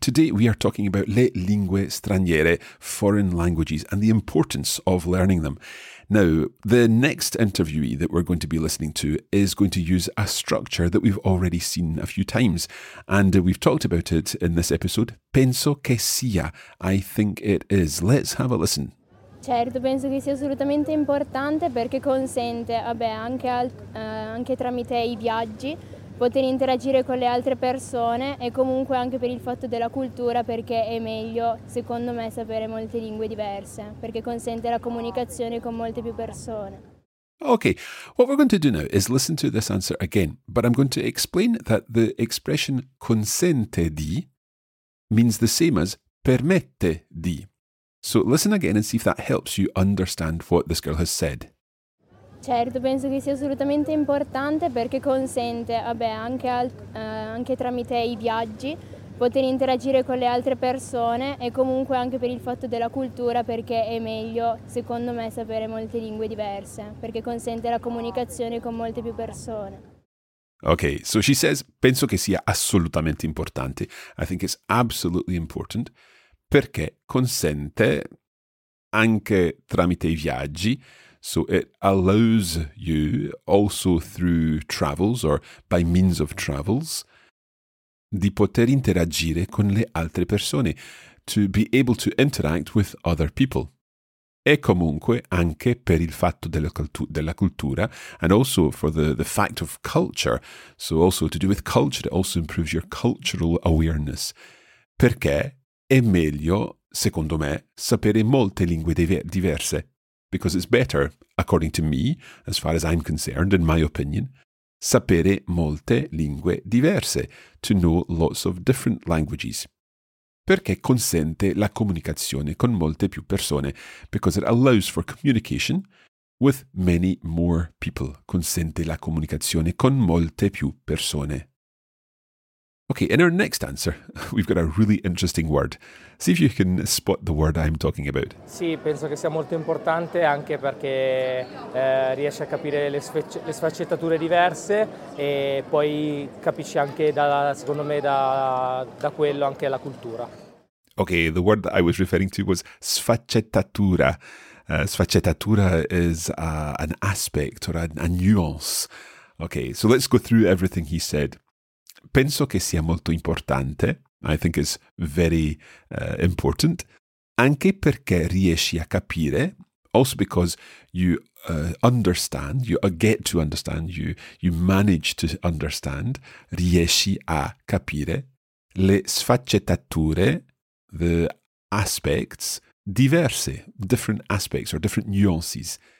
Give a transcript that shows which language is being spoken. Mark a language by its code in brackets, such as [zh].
[en] Today we are talking about [it] le lingue straniere, [en] foreign languages, and the importance of learning them. Now, the next interviewee that we're going to be listening to is going to use a structure that we've already seen a few times, and we've talked about it in this episode. [it] Penso che sia. [en] I think it is. Let's have a listen. [it] Certo, penso che sia assolutamente importante perché consente, vabbè, anche tramite i viaggi, poter interagire con le altre persone e comunque anche per il fatto della cultura, perché è meglio, secondo me, sapere molte lingue diverse, perché consente la comunicazione con molte più persone. [en] Okay, what we're going to do now is listen to this answer again, but I'm going to explain that the expression consente di means the same as permette di. So listen again and see if that helps you understand what this girl has said. [it] Certo, penso che sia assolutamente importante perché consente, vabbè, anche tramite i viaggi, poter interagire con le altre persone e comunque anche per il fatto della cultura, perché è meglio, secondo me, sapere molte lingue diverse, perché consente la comunicazione con molte più persone. [en] Okay, so she says, [it] penso che sia assolutamente importante. [en] I think it's absolutely important. [it] Perché consente anche tramite i viaggi. [en] So it allows you also through travels or by means of travels [it] di poter interagire con le altre persone, [en] to be able to interact with other people. [it] E comunque anche per il fatto della cultura, [en] and also for the fact of culture. So also to do with culture, it also improves your cultural awareness. [it] Perché è meglio, secondo me, sapere molte lingue diverse. [en] Because it's better, according to me, as far as I'm concerned, in my opinion, [it] sapere molte lingue diverse, [en] to know lots of different languages. [it] Perché consente la comunicazione con molte più persone. [en] Because it allows for communication with many more people. [it] Consente la comunicazione con molte più persone. [en] Okay, in our next answer, we've got a really interesting word. See if you can spot the word I'm talking about. [it] Sì, penso che sia molto importante anche perché riesce a capire le sfaccettature diverse e poi capisci anche, secondo me, da quello anche la cultura. [en] Okay, the word that I was referring to was sfaccettatura. Sfaccettatura is an aspect or a nuance. Okay, so let's go through everything he said. [it] Penso che sia molto importante, [en] I think it's very important, [it] anche perché riesci a capire, [en] also because you understand, you get to understand, you manage to understand, [it] riesci a capire le sfaccettature, [en] the aspects, diverse, different aspects or different nuances,